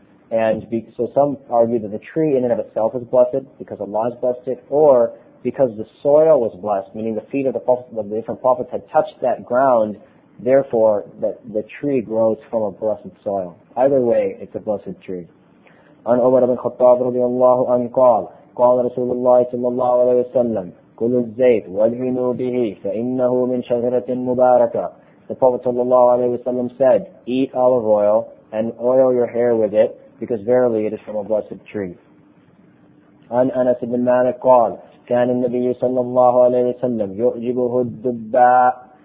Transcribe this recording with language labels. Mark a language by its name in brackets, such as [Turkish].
[English] And so some argue that the tree in and of itself is blessed, because Allah has blessed it, or because the soil was blessed, meaning the feet of the prophets, of the different prophets had touched that ground, therefore that the tree grows from a blessed soil. Either way, it's a blessed tree. [Arabic] عن عمر بن خطاب رضي الله عنه قال قال رسول الله صلى الله عليه وسلم كل الزيت وادعنوا به فإنه من شجرة مباركة. [English] The Prophet صلى الله عليه وسلم said, eat olive oil and oil your hair with it, because verily it is from a blessed tree. [Arabic] عن أنس بن مالك قال كان النبي صلى الله عليه وسلم يعجبه الدباء.